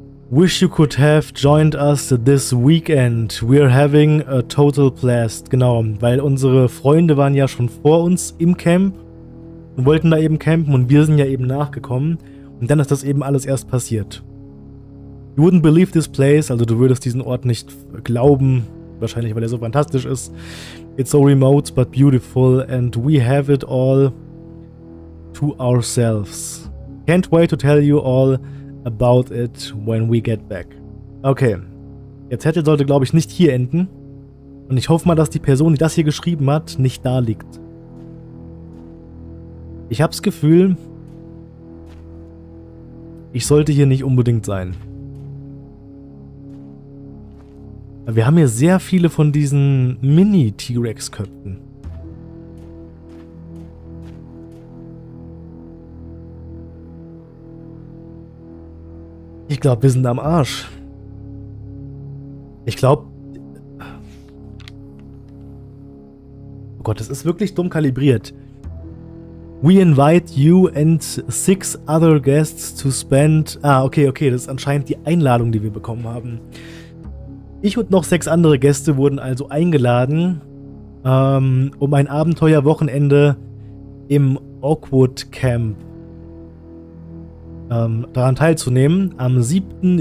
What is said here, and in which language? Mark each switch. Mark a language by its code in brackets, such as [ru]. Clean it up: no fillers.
[en] Wish you could have joined us this weekend. We're having a total blast. [de] Genau, weil unsere Freunde waren ja schon vor uns im Camp und wollten da eben campen und wir sind ja eben nachgekommen. Und dann ist das eben alles erst passiert. [en] You wouldn't believe this place. [de] Also du würdest diesen Ort nicht glauben. Wahrscheinlich, weil er so fantastisch ist. [en] It's so remote but beautiful and we have it all to ourselves. Can't wait to tell you all about it when we get back. Okay. [de] Der Zettel sollte, glaube ich, nicht hier enden. Und ich hoffe mal, dass die Person, die das hier geschrieben hat, nicht da liegt. Ich habe das Gefühl, ich sollte hier nicht unbedingt sein. Aber wir haben hier sehr viele von diesen Mini-T-Rex-Köpfen. Ich glaube, wir sind am Arsch. Ich glaube... Oh Gott, das ist wirklich dumm kalibriert. [en] We invite you and six other guests to spend... [de] Ah, okay, okay, das ist anscheinend die Einladung, die wir bekommen haben. Ich und noch sechs andere Gäste wurden also eingeladen, um ein Abenteuerwochenende im Oakwood Camp daran teilzunehmen, am 7.